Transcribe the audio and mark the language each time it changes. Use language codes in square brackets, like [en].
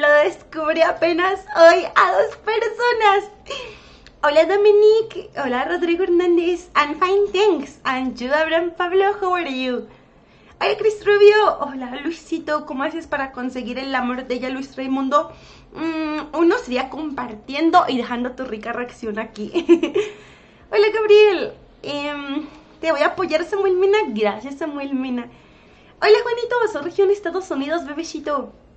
[es] Lo descubrí apenas hoy a 2 personas. [en] Hola Dominique, hola Rodrigo Hernández, I'm fine, thanks, and you, Abraham Pablo, how are you? [es] Hola Chris Rubio, hola Luisito, ¿cómo haces para conseguir el amor de ella, Luis Raimundo? Uno sería compartiendo y dejando tu rica reacción aquí. Hola Gabriel, te voy a apoyar, Samuel Mena. Gracias, Samuel Mena. Hola Juanito, ¿soy región Estados Unidos, bebecito?